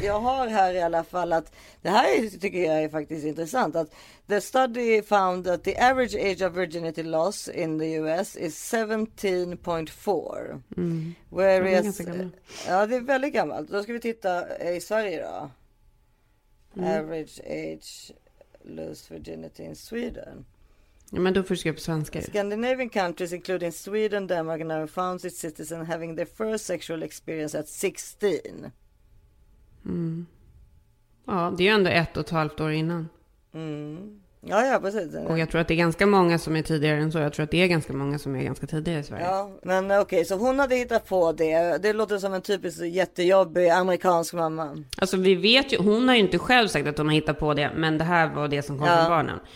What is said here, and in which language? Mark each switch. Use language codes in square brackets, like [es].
[sv] Jag har här i alla fall att, det här tycker jag är faktiskt intressant, att [en] the study found that the average age of virginity loss in the US is 17.4. Mm. Whereas, [sv] ja, det är väldigt gammalt. Då ska vi titta i Sverige då. [en] Mm. Average age lost virginity in Sweden. [sv] Ja, men då får du skriva på svenska. [en] Scandinavian countries including Sweden, Denmark and Norway found its citizens having their first sexual experience at 16. Mm. [sv] Ja, det är ju ändå 1,5 år innan. Mm. Ja, precis. Och jag tror att det är ganska många som är tidigare än så. Jag tror att det är ganska många som är ganska tidigare i Sverige. Ja, men okej, okay, så hon hade hittat på det. Det låter som en typisk jättejobbig amerikansk mamma. Alltså vi vet ju, hon har ju inte själv sagt att hon har hittat på det, men det här var det som kom från barnen.